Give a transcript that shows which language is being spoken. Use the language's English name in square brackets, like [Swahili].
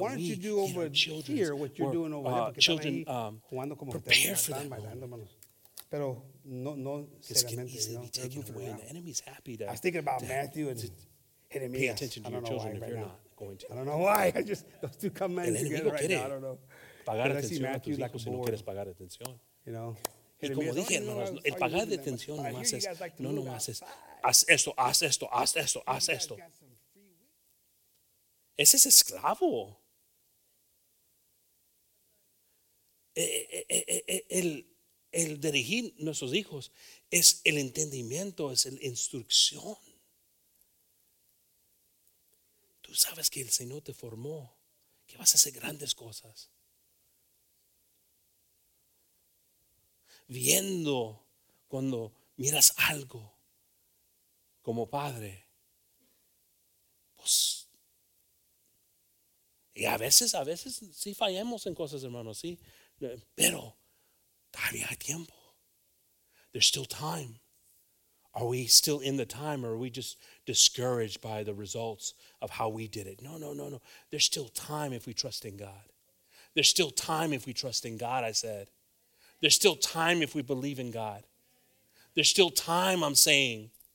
[English] why don't you do over here what you're doing over there? Children, prepare for that. [Spanish] Pero [English] it can easily be taken away, and the enemy's happy to. I was thinking about Matthew and hitting me. Pay attention to your children if you're not going to. I don't know why. I just those two come in together right now. I don't know. [Spanish] Pagar atención a tus hijos si no quieres pagar atención. [English] You know. [Spanish] Y como dije, hermanos, el pagar de atención no más es, no nomás es, haz esto, haz esto, haz esto, haz esto. Ese es esclavo. El dirigir nuestros hijos es el entendimiento, es la instrucción. Tú sabes que el Señor te formó, que vas a hacer grandes cosas. Viendo cuando miras algo como padre, pues, y a veces sí fallemos en cosas, hermanos, sí, pero todavía hay tiempo. [English] There's still time. Are we still in the time or are we just discouraged by the results of how we did it? No. There's still time if we trust in God. There's still time if we trust in God, I said. There's still time if we believe in God. There's still time, I'm saying.